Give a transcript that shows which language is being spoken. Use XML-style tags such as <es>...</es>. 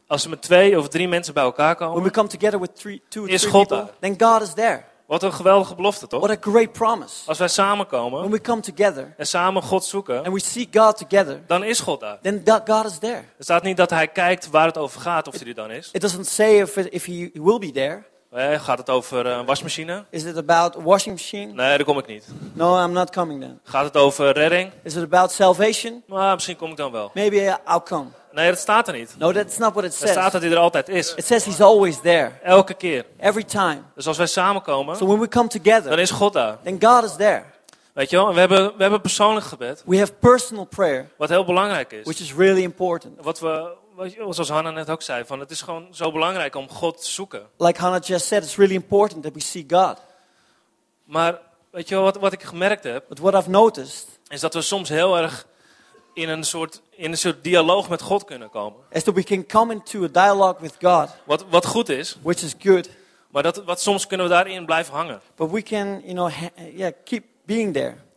<nl>Als we met twee of drie mensen bij elkaar komen,</nl> <en>when we come together with three, two,</en> <nl>is God</nl> <en>people,</en> <nl>daar.</nl> <en>Then God is there.</en> <nl>Wat een geweldige belofte, toch?</nl> <en>What a great promise.</en> <nl>Als wij samenkomen</nl> <en>when we come together,</en> <nl>en samen God zoeken,</nl> <en>and we seek God together,</en> <nl>dan is God daar.</nl> <en>Then God is there.</en> <nl>Het staat niet dat hij kijkt waar het over gaat, of hij er dan is.</nl> <en>It doesn't say if he will be there.</en> <nl>Nee, gaat het over een wasmachine?</nl> <en>Is it about a washing machine?</en> <nl>Nee, daar kom ik niet.</nl> <en>No, I'm not coming then.</en> <nl>Gaat het over redding?</nl> <en>Is it about salvation?</en> <nl>Nou, misschien kom ik dan wel.</nl> <en>Maybe I'll come.</en> <nl>Nee, dat staat er niet.</nl> <en>No, that's not what it says.</en> <nl>Er staat dat hij er altijd is.</nl> <en>It says he's always there.</en> <nl>Elke keer.</nl> <en>Every time.</en> <nl>Dus als wij samenkomen,</nl> <en>so when we come together,</en> <nl>dan is God daar.</nl> <en>Then God is there.</en> <nl>Weet je wel, we hebben persoonlijk gebed.</nl> <en>We have personal prayer.</en> <nl>Wat heel belangrijk is.</nl> <en>Which is really important.</en> <nl>Zoals Hanna net ook zei, van het is gewoon zo belangrijk om God te zoeken.</nl> <en>Like Hanna just said, it's really important that we see God.</en> <nl>Maar weet je wel, wat ik gemerkt heb,</nl> <en>but what I've noticed,</en> <nl>is dat we soms heel erg in een soort dialoog met God kunnen komen.</nl> <en>As that we can come into a dialogue with God.</en> <nl>Wat goed is.</nl> <en>Which is good.</en> <nl>Maar wat soms kunnen we daarin blijven hangen.</nl> <en>But we can, you know, keep being there.</en>